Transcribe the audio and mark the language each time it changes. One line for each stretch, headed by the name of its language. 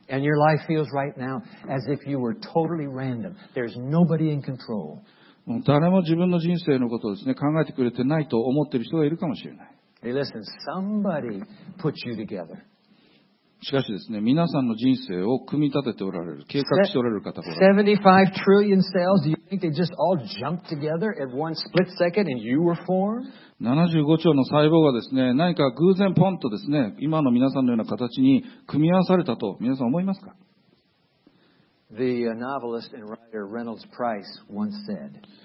English: And your life feels right now as if you were totally random. There's nobody in control.
Japanese: もう誰も自分の人生のことをですね、考えてくれてないと思っている人がいるかもしれない。
English: Hey, listen, somebody put you together.
Japanese: しかしですね、皆さんの人生を組み立てておられる、計画しておられる方が。
English: 75 trillion cells, do you think they just all jumped together at one split second and you were formed?
Japanese: 75兆の細胞がですね、何か偶然ポンとですね、今の皆さんのような形に組み合わされたと皆さん思いますか?
English: The novelist and writer Reynolds Price once said,